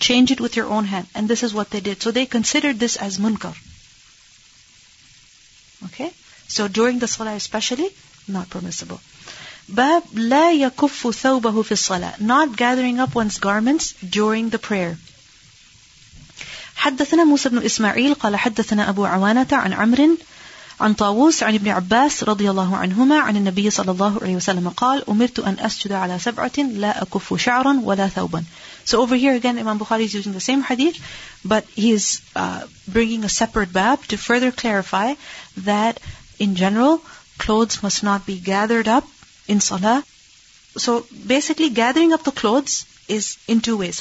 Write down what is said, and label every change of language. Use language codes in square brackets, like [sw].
[en] Change it with your own hand. And this is what they did. So they considered this as munkar. Okay? So during the salah especially, not permissible. [ar] Bab la yakuffu thawbahu fi salah. [en] Not gathering up one's garments during the prayer. [ar] حدثنا موسى بن إسماعيل قال حدثنا أبو عوانة عن عمرو عن طاووس عن ابن عباس رضي الله عنهما عن النبي صلى الله عليه وسلم قال أمرت أن أسجد على سبعة لا أكف شعرا ولا ثوبا. [en] So over here again, Imam Bukhari is using the same hadith, but he is bringing a separate bab to further clarify that in general, clothes must not be gathered up in salah. So basically, gathering up the clothes is in two ways.